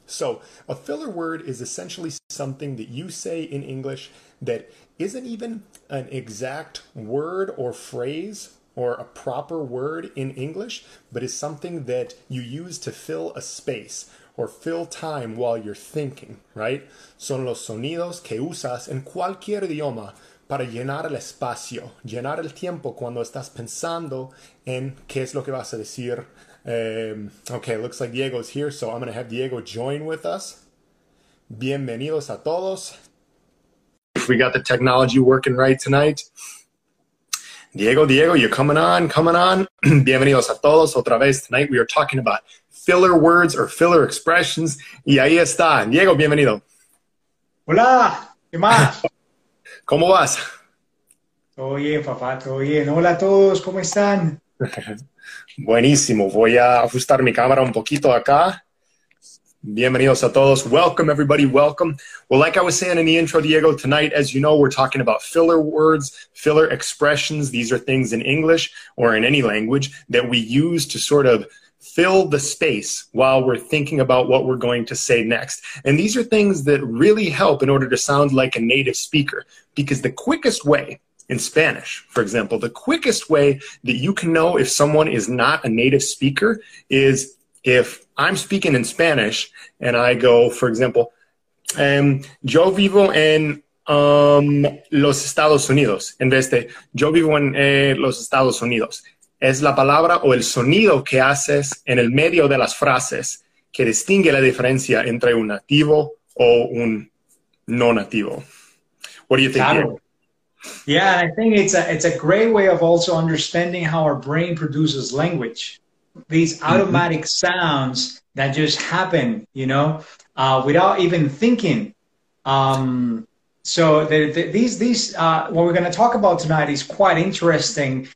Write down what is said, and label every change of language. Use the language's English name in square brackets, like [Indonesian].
[English] So a filler word is essentially something that you say in English that isn't even an exact word or phrase or a proper word in English, but is something that you use to fill a space or fill time while you're thinking, right? [Spanish] Son los sonidos que usas en cualquier idioma para llenar el espacio, llenar el tiempo cuando estás pensando en qué es lo que vas a decir. [English] Okay, looks like Diego's here, so I'm gonna have Diego join with us. [Spanish] Bienvenidos a todos. [English] If we got the technology working right tonight. [Spanish] Diego, [English] you're coming on. [Spanish] Bienvenidos a todos otra vez. [English] Tonight we are talking about filler words or filler expressions. [Spanish] Y ahí está. Diego, bienvenido. Hola, ¿qué más? ¿Cómo vas? Todo bien, papá, todo bien. Hola a todos, ¿cómo están? Buenísimo. Voy a ajustar mi cámara un poquito acá. Bienvenidos a todos. [English] Welcome, everybody. Welcome. Well, like I was saying in the intro, Diego, tonight, as you know, we're talking about filler words, filler expressions. These are things in English or in any language that we use to sort of fill the space while we're thinking about what we're going to say next. And these are things that really help in order to sound like a native speaker, because the quickest way in Spanish, for example, the quickest way that you can know if someone is not a native speaker is if I'm speaking in Spanish and I go, for example, [Spanish] yo vivo en los Estados Unidos, [English] en vez de yo vivo en los Estados Unidos. [Spanish] Es la palabra o el sonido que haces en el medio de las frases que distingue la diferencia entre un nativo o un no nativo. [English] What do you think? [Spanish] Claro. [English] Yeah, and I think it's a great way of also understanding how our brain produces language. These automatic sounds that just happen, you know, without even thinking. What we're going to talk about tonight is quite interesting.